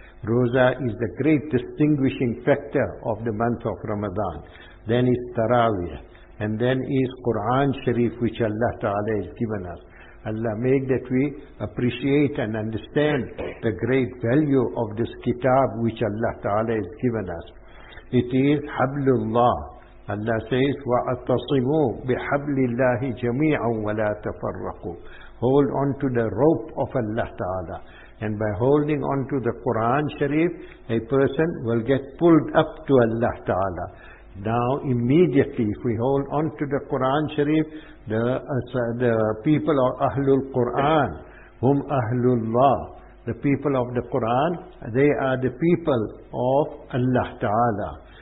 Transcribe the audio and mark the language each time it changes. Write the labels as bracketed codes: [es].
[en] Roza is the great distinguishing factor of the month of Ramadan. Then is Taraweeh. And then is Quran Sharif, which Allah Ta'ala has given us. Allah make that we appreciate and understand the great value of this kitab which Allah Ta'ala has given us. It is Hablullah. Allah says, [ar] وَأَتَصِمُوا بِحَبْلِ اللَّهِ جَمِيعًا وَلَا تَفَرَّقُوا. [en] Hold on to the rope of Allah Ta'ala. And by holding on to the Quran Sharif, a person will get pulled up to Allah Ta'ala. Now immediately, if we hold on to the Quran Sharif, the people of Ahlul Quran, whom Ahlullah, the people of the Quran, they are the people of Allah Ta'ala.